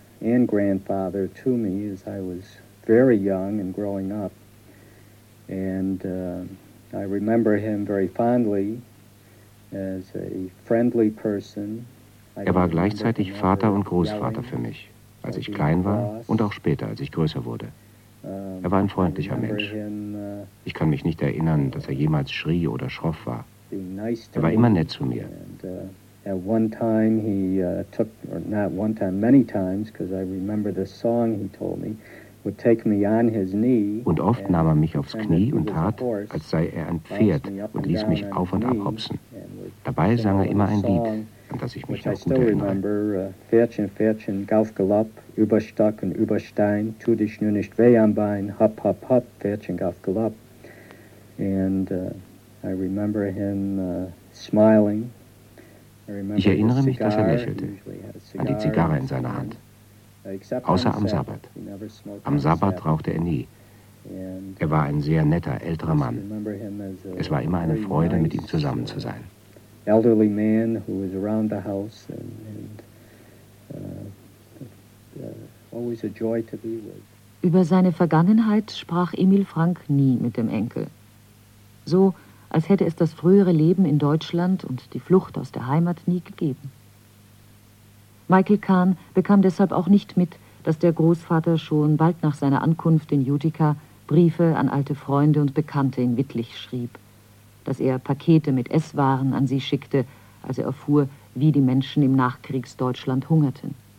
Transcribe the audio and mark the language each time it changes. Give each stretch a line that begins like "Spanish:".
English: Very young and growing up, and I remember him very fondly as a friendly person.
German: Er war gleichzeitig Vater und Großvater für mich, als ich klein war und auch später, als ich größer wurde. Er war ein freundlicher Mensch. Ich kann mich nicht erinnern, dass er jemals schrie oder schroff war. Er war immer nett zu mir.
English: At one time he took, or not one time, many times, because I remember the song he told me.
German: Und oft nahm er mich aufs Knie und tat, als sei er ein Pferd und ließ mich auf und ab hopsen. Dabei sang er immer ein Lied, an das ich mich noch gut erinnere. Pferdchen, Pferdchen, Gauf, Galopp, über Stock und über Stein, tu dich nur nicht weh am Bein, hopp, hopp, hopp, Pferdchen, Gauf, Galopp.
English: And I remember him smiling.
German: Ich erinnere mich, dass er lächelte, an die Zigarre in seiner Hand. Außer am Sabbat. Am Sabbat rauchte er nie. Er war ein sehr netter, älterer Mann. Es war immer eine Freude, mit ihm zusammen zu sein.
English: Elderly man who was around the house and always a joy to be with.
German: Über seine Vergangenheit sprach Emil Frank nie mit dem Enkel. So, als hätte es das frühere Leben in Deutschland und die Flucht aus der Heimat nie gegeben. Michael Kahn bekam deshalb auch nicht mit, dass der Großvater schon bald nach seiner Ankunft in Utica Briefe an alte Freunde und Bekannte in Wittlich schrieb, dass er Pakete mit Esswaren an sie schickte, als er erfuhr, wie die Menschen im Nachkriegsdeutschland hungerten.